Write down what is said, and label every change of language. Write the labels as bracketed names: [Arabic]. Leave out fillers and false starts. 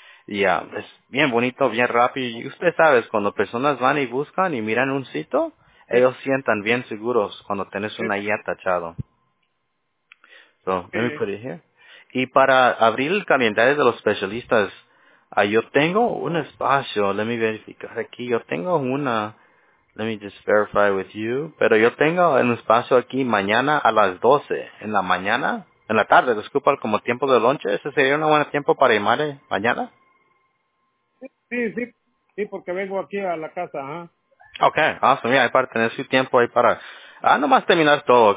[Spanish] Y es bien bonito, bien rápido. Y usted sabe, cuando personas van y buscan y miran un sitio, ellos sientan bien seguros cuando tienes una guía tachado. [English] So, let me put it here. [Spanish] Y para abrir el calendario de los especialistas, yo tengo un espacio, [English] let me [Spanish] verificar aquí. Yo tengo una, [English] let me just verify with you. [Spanish] Pero yo tengo un espacio aquí mañana a las 12 en la mañana, en la tarde, disculpa, como tiempo de lunch. ¿Ese sería un buen tiempo para llamar mañana? Sí, porque vengo aquí a la casa, ¿eh? [English] Okay, awesome. Yeah, [Spanish] para tener su tiempo ahí para... nomás terminar todo.